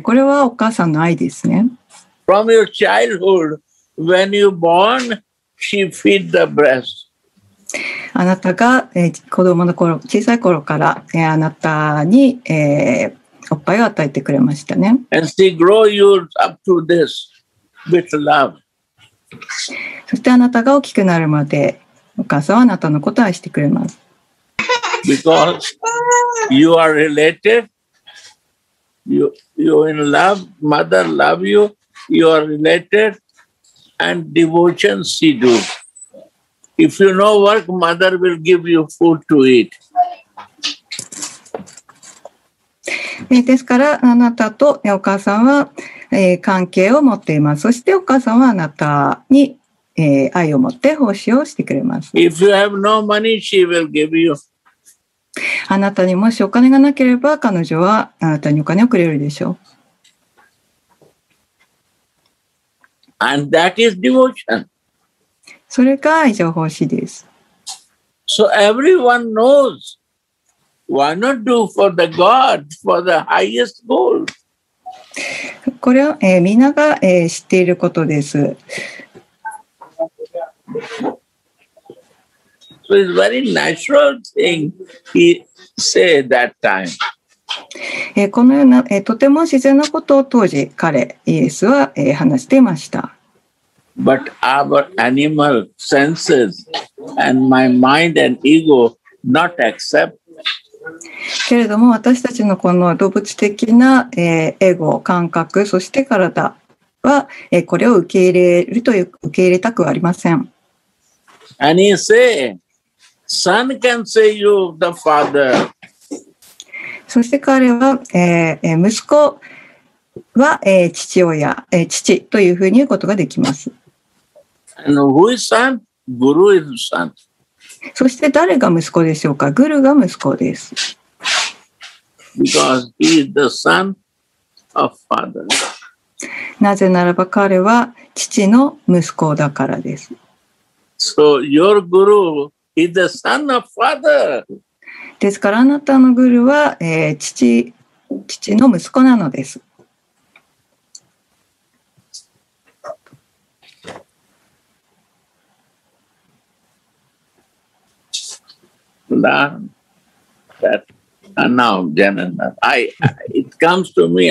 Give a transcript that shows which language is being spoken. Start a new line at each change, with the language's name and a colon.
Japanese: これはお母さんの愛ですね。
English: From your childhood. When you born, she feed the breast.
Japanese: あなたが、子供の頃、小さい頃から、あなたに、おっぱいを与えてくれましたね。
English: And she grow you up to this with love.
Japanese: そしてあなたが大きくなるまで、お母さんはあなたのことを愛してくれます。
English: Because you are related, you in love, mother love you, you are related. And devotion she do. If you no work, mother will give you food to eat.
Japanese: ですから、あなたとお母さんは、関係を持っています。そしてお母さんはあなたに、愛を持って奉仕をしてくれます。
English: If you have no money, she will give you.
Japanese: あなたにもしお金がなければ、彼女はあなたにお金をくれるでしょう。
English: And that is devotion.
Japanese: それが愛情奉仕です。
English: So everyone knows, why not do for the God, for the highest goal?
Japanese: これは、みんなが、知っていることです。
English: So it's a very natural thing he said that time.
Japanese: このような、とても自然なことを当時、彼、イエスは、話していました。
English: But our animal senses and my mind and ego not accept.
Japanese: けれども私たちのこの動物的な、エゴ、感覚、そして体は、これを受け入れるという受け入れたくはありません。
English: And he say, son can say you the father.
Japanese: そして彼は、息子は、父親、父というふうに言うことができます。
English: And who is son? Guru is son.
Japanese: そして誰が息子でしょうか。グルが息子です。
English: Because he is the son of father.
Japanese: なぜならば彼は父の息子だからです。
English: So your guru is the son of father.
Japanese: ですからあなたのグルは、父の息子なのです。
English: That now, Janana, it comes to me.